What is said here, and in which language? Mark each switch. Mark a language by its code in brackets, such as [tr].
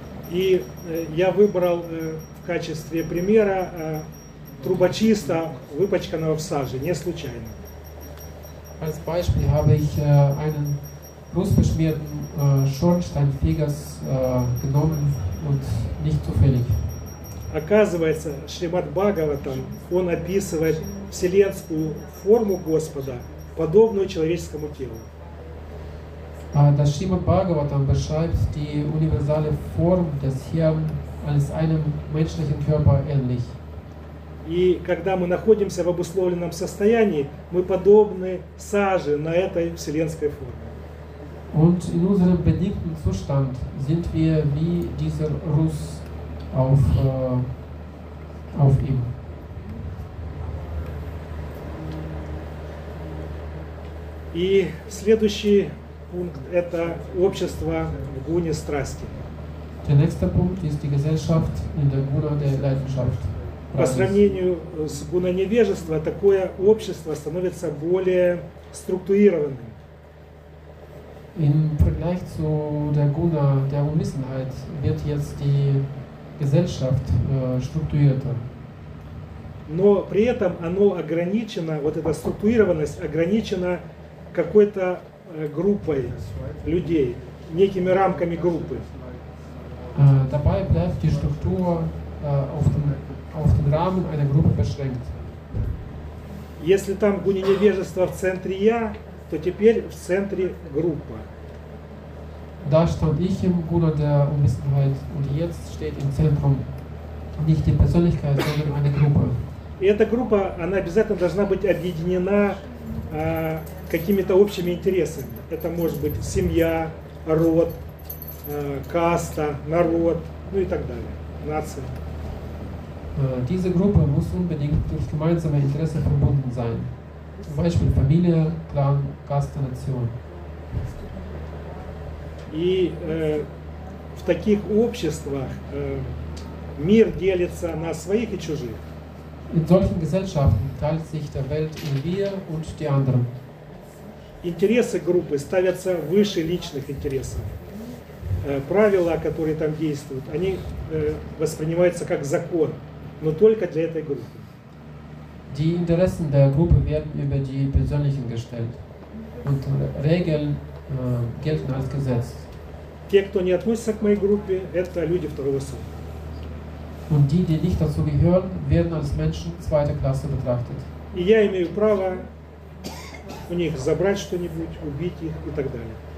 [ru] И я выбрал в качестве примера трубочиста, выпачканного в саже, не случайно. [de] Als Beispiel habe ich einen rußbeschmierten Schornsteinfegers genommen und nicht zufällig. [ru] Оказывается, Шримад Бхагаватам, он описывает вселенскую форму Господа, подобную человеческому телу. [de] Das Shrimad Bhagavatam beschreibt die universale Form des Hirn als einem menschlichen Körper ähnlich. [ru] И когда мы находимся в обусловленном состоянии, мы подобны саже на этой вселенской форме. [de] Und in unserem bedingten Zustand sind wir wie dieser Russ auf ihm. [ru] И следующий пункт – это общество в гуне страсти. [de] Der nächste Punkt ist die Gesellschaft in der Gune der Leidenschaft. [ru] По сравнению с гуной невежества, такое общество становится более структурированным. [de] Im Vergleich zu der Gune der Unwissenheit wird jetzt die Gesellschaft strukturierter. [ru] Но при этом оно ограничено, вот эта структурированность ограничена какой-то группой людей, некими рамками группы. [de] Dabei bleibt die Struktur auf den Rahmen einer Gruppe beschränkt. [ru] Если там гуни невежества в центре я, то теперь в центре группа. [de] Da stand ich im Guna der Unwissenheit und jetzt steht im Zentrum nicht die Persönlichkeit, sondern eine Gruppe. [ru] И эта группа, она обязательно должна быть объединена какими-то общими интересами. Это может быть семья, род, каста, народ, ну и так далее, нация. [de] Diese Gruppe muss unbedingt durch gemeinsame Interessen verbunden sein. Zum Beispiel Familie, Clan, Kaste, Nation. [ru] И в таких обществах мир делится на своих и чужих. [de] In solchen Gesellschaften teilt sich der Welt in wir und die anderen. [ru] Интересы группы ставятся выше личных интересов. Правила, которые там действуют, они воспринимаются как закон, но только для этой группы. [de] Die Interessen der Gruppe werden über die persönlichen gestellt. Und Regeln gelten als Gesetz. [ru] Те, кто не относится к моей группе, это люди второго сорта. [de] Und die, die nicht dazu gehören, werden als Menschen zweiter Klasse betrachtet. [ru] И я имею право у них забрать что-нибудь, убить их и так далее.